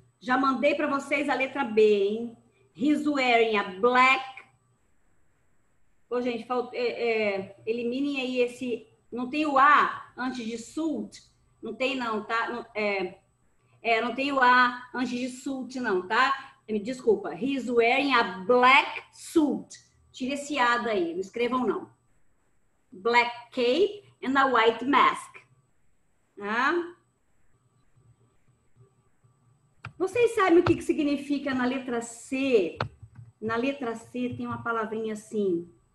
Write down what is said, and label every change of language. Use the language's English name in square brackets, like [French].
[Portuguese] Já mandei para vocês a letra B, hein? [English] He's wearing a black. [Portuguese] Pô, gente, eliminem aí esse... Não tem o A antes de suit? Não tem não, tá? Não, é, É, não tem o A antes de suit, não, tá? Me desculpa. [English] He's wearing a black suit. [Portuguese] Tire esse A daí, não escrevam não. [English] Black cape and a white mask. [Portuguese] Tá? Vocês sabem o que significa na letra C? Na letra C tem uma palavrinha assim.